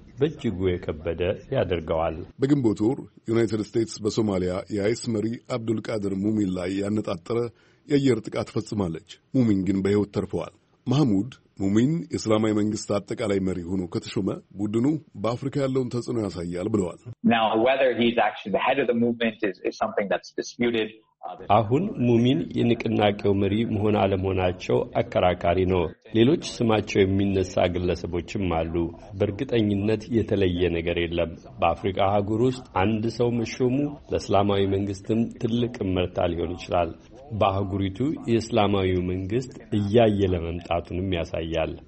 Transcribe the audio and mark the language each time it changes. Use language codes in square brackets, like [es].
[am] በእጅጉ የከበደ ያደርገዋል። በግንቦት ወር ዩናይትድ ስቴትስ በሶማሊያ የአይስ መሪ አብዱል ቃድር ሙሚን ላይ ያነጣጠረ የአየር ጥቃት ፈጽማለች። ሙሚን ግን በሕይወት ተርፈዋል። ማህሙድ ሙሚን የእስላማዊ መንግስት አጠቃላይ መሪ ሆኖ ከተሾመ ቡድኑ በአፍሪካ ያለውን ተጽዕኖ ያሳያል ብለዋል። [en] Now whether he's actually the head of the movement is something that's disputed. [am] አሁን ሙሚን የንቅናቄው መሪ መሆን አለመሆናቸው አከራካሪ ነው። ሌሎች ስማቸው የሚነሳ ግለሰቦችም አሉ። በእርግጠኝነት የተለየ ነገር የለም። በአፍሪካ ሀገር ውስጥ አንድ ሰው መሾሙ ለእስላማዊ መንግስትም ትልቅ ምርታ ሊሆን ይችላል። በአህጉሪቱ የእስላማዊ መንግስት እያየለ መምጣቱንም ያሳያል።